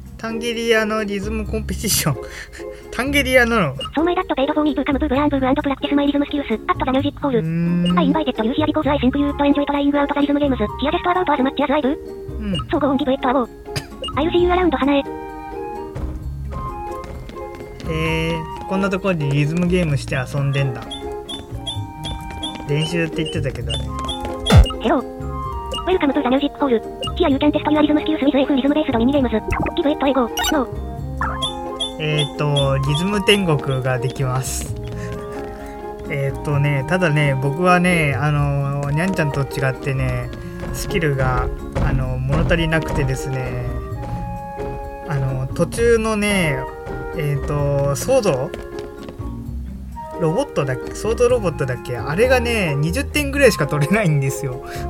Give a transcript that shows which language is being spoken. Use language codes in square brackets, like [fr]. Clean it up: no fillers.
[ja] タンゲリアのリズムコンペティション。タンゲリアなの？ [en] So my dad paid for me to come to Brandenburg and practice my rhythm skills at the music hall. I invited you here because I think you'd enjoy trying out the rhythm games. Here just about as much as I do. So go on, give it a go. I'll see you around, Hanae. [ja] こんなところでリズムゲームして遊んでんだ。練習って言ってたけどね。 [en] ヘロー。Welcome to the music hall. Here you can test your rhythm skills with F Rhythm Race Dominion Games. Give it a go. No. [ja] リズム天国ができます。ね、ただね、僕はね、にゃんちゃんと違ってね、スキルが、物足りなくてですね、途中のね、ソードロボットだっけ、ソードロボットだっけ、あれがね、20点ぐらいしか取れないんですよ。